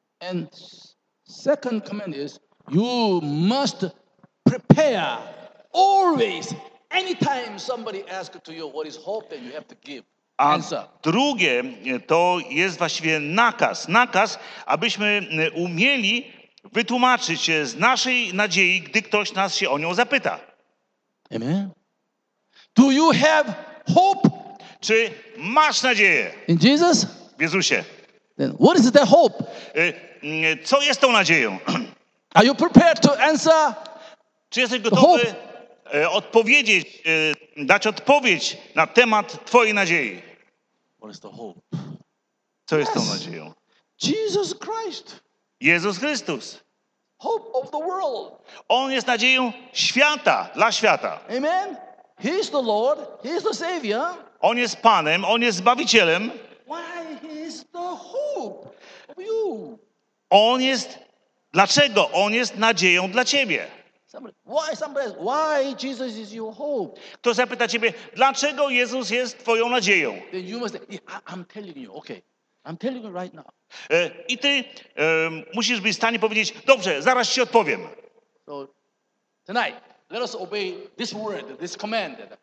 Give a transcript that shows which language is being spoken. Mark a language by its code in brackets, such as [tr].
[en] And second command is you must prepare always anytime somebody asks to you what is hope then you have to give answer. [pl] A drugie to jest właściwie nakaz, abyśmy umieli wytłumaczyć się z naszej nadziei, gdy ktoś nas się o nią zapyta. [en] Amen. Do you have hope? [pl] Czy masz nadzieję? [en] In Jesus? [pl] W Jezusie. [en] Then what is the hope? [pl] Co jest tą nadzieją? [en] Are you prepared to answer? [pl] Czy jesteś gotowy odpowiedzieć, dać odpowiedź na temat twojej nadziei? [en] What is the hope? [pl] Co jest tą nadzieją? [en] Jesus Christ. [pl] Jezus Chrystus. [en] Hope of the world. [pl] On jest nadzieją świata, dla świata. [en] Amen. He is the Lord. He is the Savior. [pl] On jest Panem. On jest Zbawicielem. [en] Why he is the hope of you? [pl] On jest. Dlaczego? On jest nadzieją dla ciebie. [en] Why Jesus is your hope? [pl] Kto zapyta ciebie, dlaczego Jezus jest twoją nadzieją? [en] Then you must. I'm telling you. Okay. I'm telling you right now. [pl] I ty musisz być w stanie powiedzieć, dobrze, zaraz ci odpowiem. [en] So tonight, let us obey this word, this command.